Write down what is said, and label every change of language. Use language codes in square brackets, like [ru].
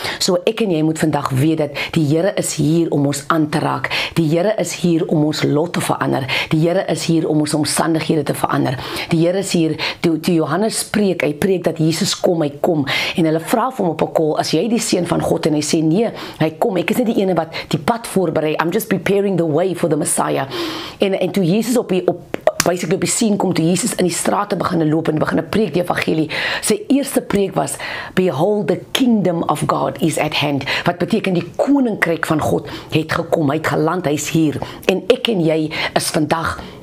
[af] So ek en jy moet vandag weet dat die Here is hier om ons aan te raak. Die Here is hier om ons lot te verander. Die Here is hier om ons omstandighede te verander. Die Here is hier, toe Johannes preek, hy preek dat Jesus kom, hy kom. En hulle vra vir hom op 'n kol, as jy die seun van God, en hy sê nee, hy kom. Ek is net die ene wat die pad voorberei. [en] I'm just preparing the way for the Messiah. [af] En toe Jesus op die scene kom, toe Jesus in die straat begin loop en begin preek die evangelie, sy eerste preek was, [en] behold the kingdom of God is at hand, [af] wat beteken die koninkryk van God het gekom, hy het geland, hy is hier, en ek en jy is vandag